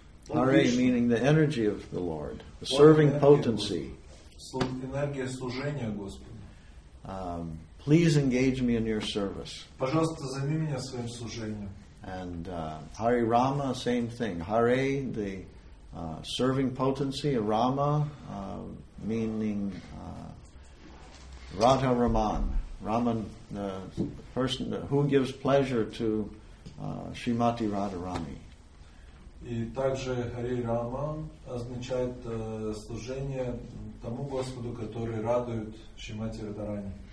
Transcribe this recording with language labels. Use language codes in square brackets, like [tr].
[en] Hare meaning the energy of the Lord, the serving potency. [ru] Энергия служения Господа. [en] Please engage me in your service. [ru] Пожалуйста, займи меня своим служением. [en] And Hare Rama, same thing. Hare, the serving potency of Rama, meaning Radha Raman. Raman, the person who gives pleasure to Srimati Radharani. [ru] И также Hare Rama означает служение тому Господу, который радует Шримати Радхарани.